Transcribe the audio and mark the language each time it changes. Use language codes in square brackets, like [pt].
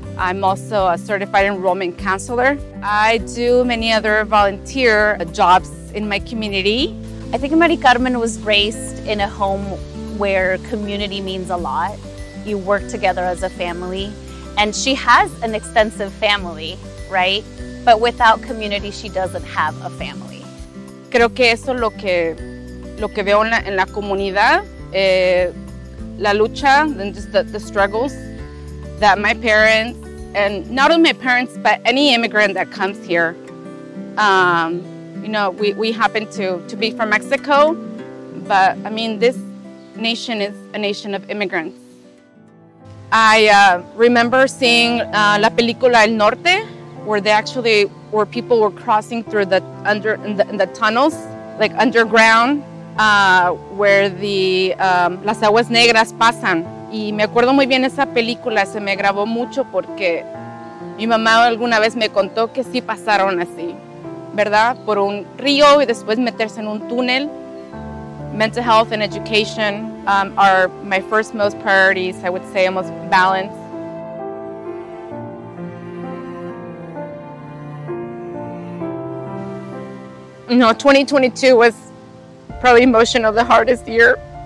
[en] I'm also a Certified Enrollment Counselor. I do many other volunteer jobs in my community. I think Maricarmen was raised in a home where community means a lot. You work together as a family, and she has an extensive family, right? But without community, she doesn't have a family. [es] Creo que eso es lo que veo en la comunidad. La lucha [en] and just the struggles that my parents, and not only my parents, but any immigrant that comes here. You know, we happen to be from Mexico, but I mean, this nation is a nation of immigrants. I remember seeing La Película El Norte, where people were crossing through in the tunnels, like underground. Where the [es] las aguas negras pasan. Y me acuerdo muy bien esa película, se me grabó mucho porque mi mamá alguna vez me contó que sí pasaron así, ¿verdad? Por un río y después meterse en un túnel. [en] Mental health and education are my first most priorities, I would say almost balanced. No, 2022 was probably emotional, the hardest year.